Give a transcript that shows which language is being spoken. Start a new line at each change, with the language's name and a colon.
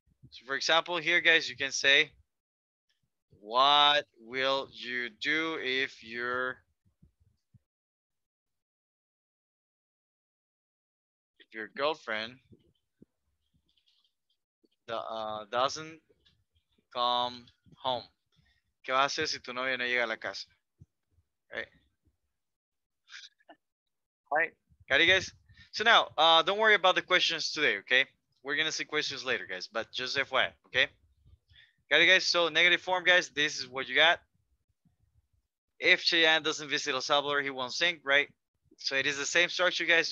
English: So for example, here, guys, you can say, what will you do if you're, if your girlfriend doesn't come home.
Spanish: ¿Qué vas a hacer si tu novia no llega a la casa?
English: Right? Right. Got it, guys? So now, don't worry about the questions today, okay? We're going to see questions later, guys, but just FYI, okay? Got it, guys? So negative form, guys, this is what you got. If Cheyenne doesn't visit El Salvador, he won't sing, right? So it is the same structure, guys.